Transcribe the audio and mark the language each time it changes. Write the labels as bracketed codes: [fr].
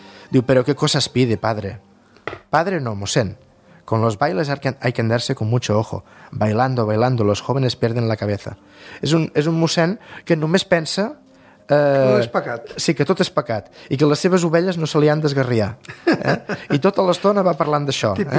[ca] Diu, però què coses [es] pide, padre? [ca] Padre no, mossèn. [es] Con los bailes hay que andarse con mucho ojo. Bailando, bailando, los jóvenes pierden la cabeza. [ca] És un mossèn que només pensa... Que és pecat. Sí, que tot és pecat. I que les seves ovelles no se li han d'esgarriar. I tota l'estona va parlant d'això.